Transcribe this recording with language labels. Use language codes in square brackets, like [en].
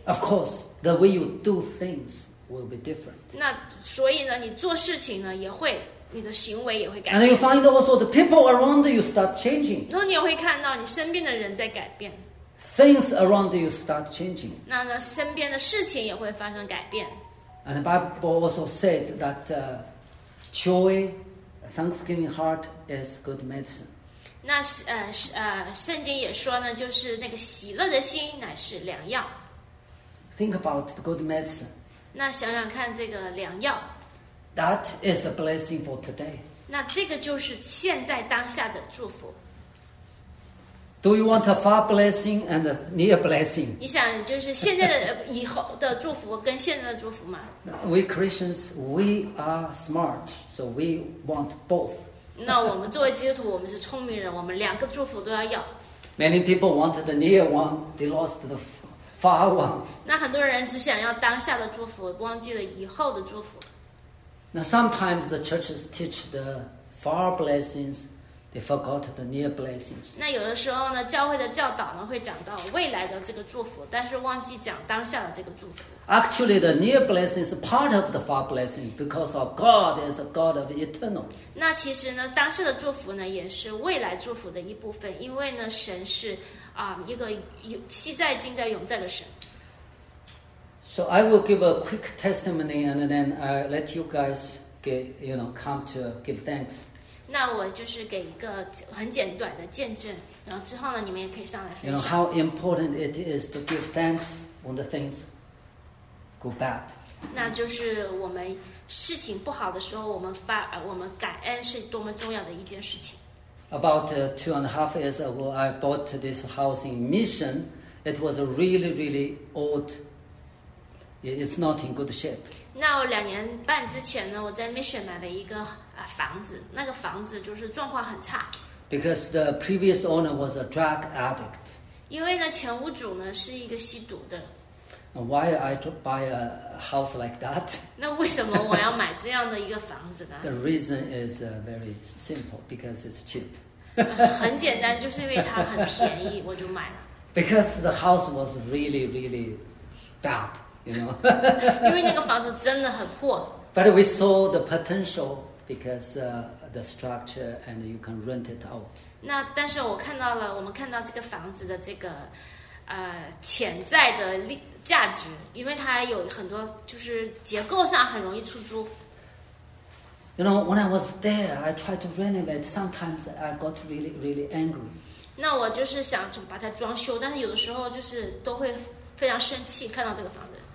[en] Of course, the way you do things will be different. [zh] 那所以呢，你做事情呢也会。你的行为也会改变。 [en] And you find also the people around you start changing. [zh] 那你也会看到你身边的人在改变。 [en] Things around you start changing. [zh] 那身边的事情也会发生改变。 [en] And the Bible also said that joy, a thanksgiving heart is good medicine. [zh] 那圣经也说呢，就是那个喜乐的心乃是良药。 [en] Think about the good medicine. [zh] 那想想看这个良药。 [en] That is a blessing for today. [zh] 那这个就是现在当下的祝福。 [en] Do you want a far blessing and a near blessing? [zh] 你想就是现在的以后的祝福跟现在的祝福吗？ [en] We Christians, we are smart, so we want both. [zh] 那我们作为基督徒，我们是聪明人，我们两个祝福都要要。 [en] Many people wanted the near one, they lost the far one. [zh] 那很多人只想要当下的祝福，忘记了以后的祝福。 [en] Now sometimes the churches teach the far blessings, they forgot the near blessings. [zh] 那有的时候呢，教会的教导呢会讲到未来的这个祝福，但是忘记讲当下的这个祝福。 [en] Actually, the near blessing is part of the far blessing because our God is a God of eternal. [zh] 那其实呢，当下的祝福呢也是未来祝福的一部分，因为呢，神是一个昔在、今在、永在的神。 [en] So I will give a quick testimony, and then I let you guys get, you know, come to give thanks. [zh] 那我就是给一个很简短的见证，然后之后呢，你们也可以上来分享。 [en] You know how important it is to give thanks when the things go bad. [zh] 那就是我们事情不好的时候，我们感恩是多么重要的一件事情。 [en] About 2.5 years ago, I bought this house in Mission. It was a really, really old. It's not in good shape. [zh] 那我两年半之前呢，我在 Mission 买了一个房子，那个房子就是状况很差。 [en] Because the previous owner was a drug addict. [zh] 因为呢，前屋主呢是一个吸毒的。 [en] Why I buy a house like that? [zh] 那为什么我要买这样的一个房子呢？ [en] The reason is very simple, because it's cheap. [zh] 很简单，就是因为它很便宜，我就买了。 [en] Because the house was really, really bad. [zh] 因为那个房子真的很破。 [en] But we saw the potential because the structure and you can rent it out. [zh] 那但是我看到了，我们看到这个房子的这个潜在的价值，因为它有很多就是结构上很容易出租。 [en] You know, when I was there, I tried to renovate. Sometimes I got really, really angry. [zh] 那我就是想把它装修，但是有的时候就是都会非常生气，看到这个房子。